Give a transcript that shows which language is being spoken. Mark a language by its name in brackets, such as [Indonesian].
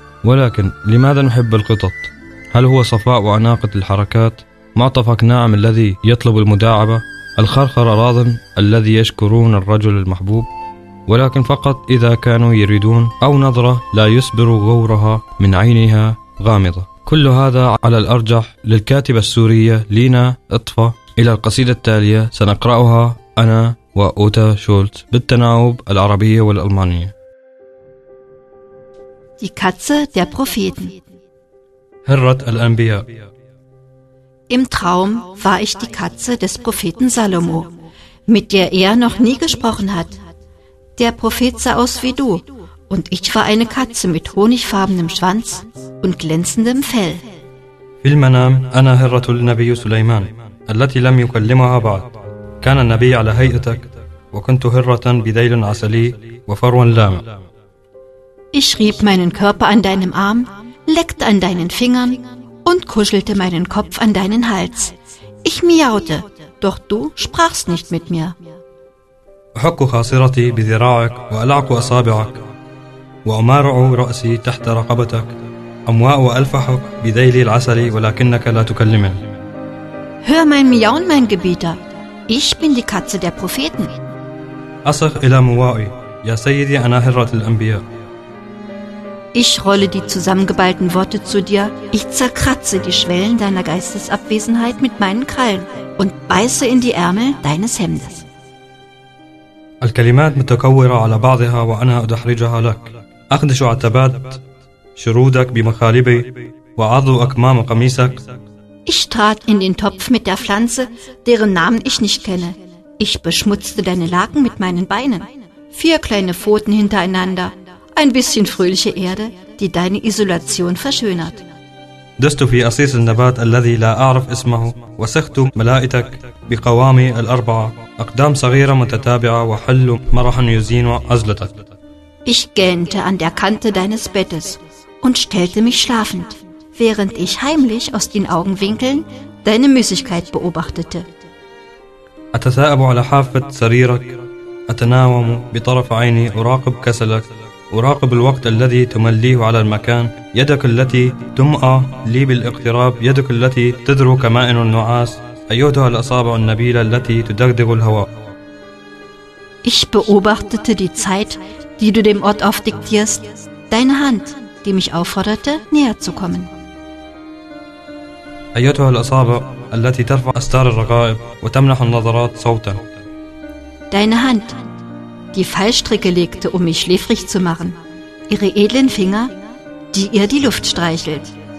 [Arabic] ولكن لماذا نحب القطط؟ هل هو صفاء وأناقة الحركات؟ معطفك ناعم الذي يطلب المداعبة؟ الخرخر راضٍ الذي يشكرون الرجل المحبوب؟ ولكن فقط إذا كانوا يريدون، أو نظرة لا يسبر غورها من عينها غامضة. كل هذا على الأرجح للكاتبة السورية لينا إطفة. إلى القصيدة التالية سنقرأها أنا وأوتا شولت بالتناوب العربية والألمانية. [German] Die Katze der Propheten. [Arabic] Hirrat al-Anbiya. [German] Im Traum war ich die Katze des Propheten Salomo, mit der er noch nie gesprochen hat. Der Prophet sah aus wie du, und ich war eine Katze mit honigfarbenem Schwanz und glänzendem Fell. [Arabic] في المنام أنا هرة النبي سليمان التي لم يكلمها بعد. كان النبي على هيئتك وكنت هرة بذيل عسلي وفرو لامع. [German] Ich rieb meinen Körper an deinem Arm, leckte an deinen Fingern und kuschelte meinen Kopf an deinen Hals. Ich miaute, doch du sprachst nicht mit mir. [Arabic] أحك خاصرتي بذراعك وألعق أصابعك وأمارع رأسي تحت رقبتك أمواء ألفحك بذيلي العسلي ولكنك لا تكلمني. [German] Hör mein Miauen, mein Gebieter. Ich bin die Katze der Propheten. [Arabic] أصغ إلى موائي يا سيدي أنا هرة الأنبياء. [German] Ich rolle die zusammengeballten Worte zu dir, ich zerkratze die Schwellen deiner Geistesabwesenheit mit meinen Krallen und beiße in die Ärmel deines Hemdes. [Arabic] الكلمات متكورة على بعضها وأنا أدحرجها لك. أخدش عتبات شرودك بمخالبي وعض أكمام قميصك. [German] Ich trat in den Topf mit der Pflanze, deren Namen ich nicht kenne. Ich beschmutzte deine Laken mit meinen Beinen. Vier kleine Pfoten hintereinander. Ein bisschen fröhliche Erde, die deine Isolation verschönert. [Arabic] دست في أصيص النبات الذي لا أعرف اسمه وسخت ملائتك بقوامي الأربعة أقدام صغيرة متتابعة وحل مرح يزين عزلتك. [German] Ich gähnte an der Kante deines Bettes und stellte mich schlafend, während ich heimlich aus den Augenwinkeln deine Müßigkeit beobachtete. [Arabic] أتثائب على حافة سريرك أتناوم بطرف عيني أراقب كسلك أراقب الوقت الذي تمليه على المكان يدك التي تمأى لي بالاقتراب يدك التي تدرو كمائن النعاس أيتها الأصابع النبيلة التي تدغدغ الهواء. [German] Ich beobachtete die Zeit, die du dem Ort aufdiktierst, deine Hand, die mich aufforderte, näher zu kommen. [Arabic] أيتها الأصابع التي ترفع أستار الرقائب وتمنح النظرات صوتا. [German] Deine Hand, die Fallstricke legte, um mich schläfrig zu machen. Ihre edlen Finger, die ihr die Luft streichelt.